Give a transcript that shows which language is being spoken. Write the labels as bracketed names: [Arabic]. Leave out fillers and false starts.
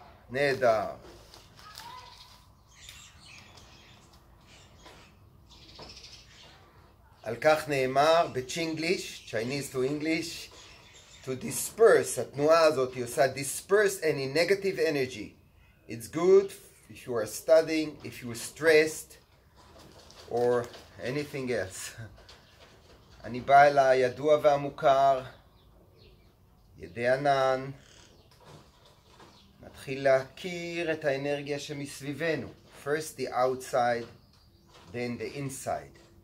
[Hebrew] נהדר. על כך נאמר בצ'ינגליש, Chinese to English, to disperse, התנועה הזאת היא עושה disperse any negative energy. [English] It's good if you are studying, if you are stressed, or anything else. [Hebrew] אני בא אל הידוע והמוכר, ידי ענן, נתחיל להכיר את האנרגיה שמסביבנו. [English] First the outside, then the inside.